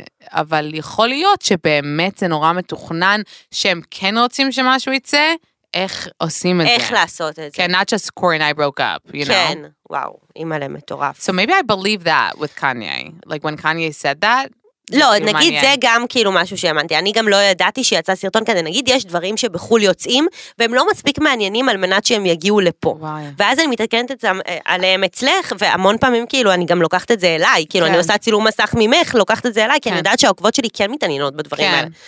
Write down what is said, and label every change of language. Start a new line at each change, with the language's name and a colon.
Hebrew: אבל יכול להיות שבאמת זה נורא מתוכנן, שהם כן רוצים שמשהו יצא, איך עושים את זה. איך לעשות את זה.
English: כן, not just Corey and I broke up, you know?
Hebrew: כן, וואו, אימא למטורף.
English: So maybe I believe that with Kanye. Like, when Kanye said that,
Hebrew: לא, נגיד זה גם כאילו משהו שהאמנתי, אני גם לא ידעתי שיצא סרטון כזה, נגיד יש דברים שבחול יוצאים, והם לא מספיק מעניינים על מנת שהם יגיעו לפה. ואז אני מתעקנת עליהם אצלך, והמון פעמים כאילו אני גם לוקחת את זה אליי, כאילו אני עושה צילום מסך ממך, לוקחת את זה אליי, כי אני יודעת שהעוקבות שלי כן מתעניינות בדברים האלה.